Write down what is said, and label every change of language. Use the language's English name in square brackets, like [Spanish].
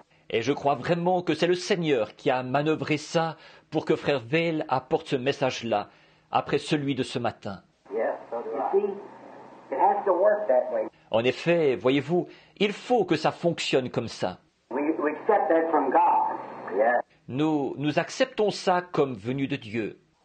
[French] Et je crois vraiment que c'est le Seigneur qui a manœuvré ça pour que Frère Vail apporte ce message-là après celui de ce matin. [English] Yes, so it has to work that way. [French] En effet, voyez-vous, il faut que ça fonctionne comme ça. [English] We accept that from God. Yes. [French] Nous acceptons ça comme venu de Dieu.